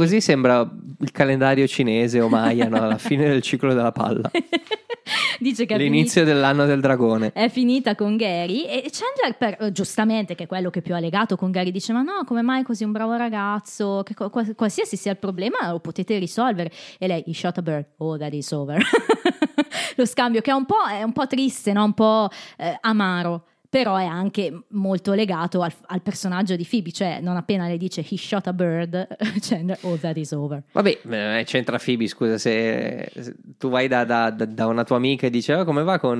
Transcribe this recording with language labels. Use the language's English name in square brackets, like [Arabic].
[Italian] Così sembra il calendario cinese o Maya, no? La fine del ciclo della palla. Dice che l'inizio dell'anno del dragone. È finita con Gary e Chandler, giustamente, che è quello che più ha legato con Gary, dice: ma no, come mai così un bravo ragazzo? Che qualsiasi sia il problema lo potete risolvere. E lei: [English] he shot a bird, oh that is over. [Italian] Lo scambio che è un po' triste, no? Un po' amaro. Però è anche molto legato al personaggio di Phoebe, cioè non appena le dice [English] he shot a bird, [Italian] Chandler, [English] oh that is over. [Italian] Vabbè, c'entra Phoebe, scusa, se tu vai da una tua amica e dice oh, come va con...